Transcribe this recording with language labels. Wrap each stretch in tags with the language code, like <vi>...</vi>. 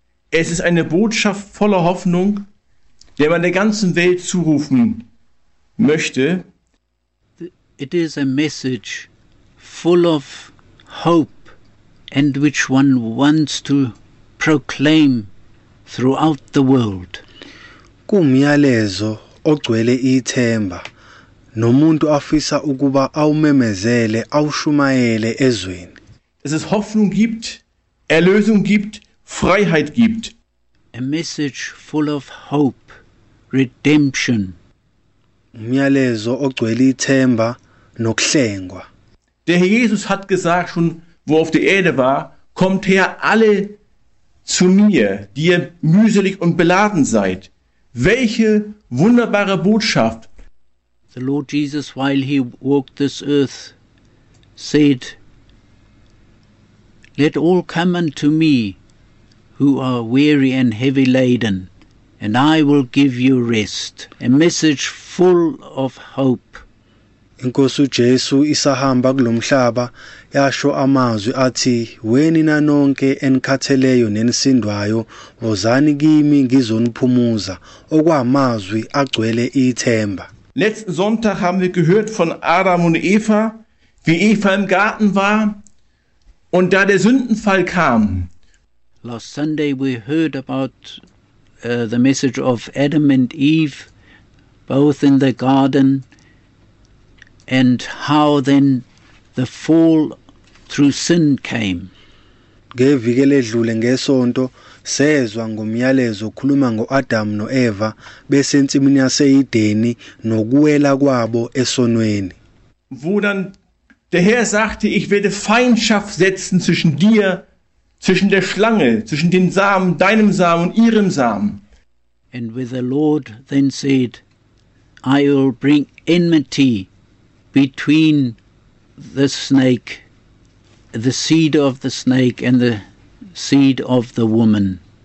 <de>Es ist eine Botschaft voller Hoffnung, der man der ganzen Welt zurufen möchte.</de> <en>It is a message full of hope and which one wants to proclaim throughout the world.</en> <zu>Kumyalezo ogcwele ithemba nomuntu afisa ukuba awumemezele awushumayele ezweni.</zu> <de>Es ist Hoffnung gibt, Erlösung gibt, Freiheit gibt.</de> <en>A message full of hope, redemption.</en> <zu>Umyalezo ogcwele ithemba nokuhlengwa.</zu> <de>Der Herr Jesus hat gesagt, schon wo auf der Erde war, kommt her alle zu mir, die ihr mühselig und beladen seid. Welche wunderbare Botschaft.</de> <en>The Lord Jesus, while he walked this earth, said, let all come unto me, who are weary and heavy laden, and I will give you rest. A message full of hope.</en> <zu>Inkosi uJesu isahamba kulomhlaba yasho amazwi athi, weni na nonke enikhatheleyo nenisindwayo, wozani kimi ngizoniphumuza, okwamazwi agcwele ithemba.</zu> <de>Letzten Sonntag haben wir gehört von Adam und Eva, wie Eva im Garten war. Und da der Sündenfall kam.</de> <en>Last Sunday we heard about the message of Adam and Eve, both in the garden, and how then the fall through sin came.</en> <zu>ngeviki ledlule ngesonto sezwa ngomyalezo okhuluma ngo-Adam no-Eva besensimini yase-Edeni nokuwela kwabo esonweni.</zu> <de>Wo dann der Herr sagte, ich werde Feindschaft setzen zwischen dir, zwischen der Schlange, zwischen dem Samen, deinem Samen und ihrem Samen.</de> <en>And with the Lord then said, I will bring enmity between the snake, the seed of the snake and the seed of the woman.</en>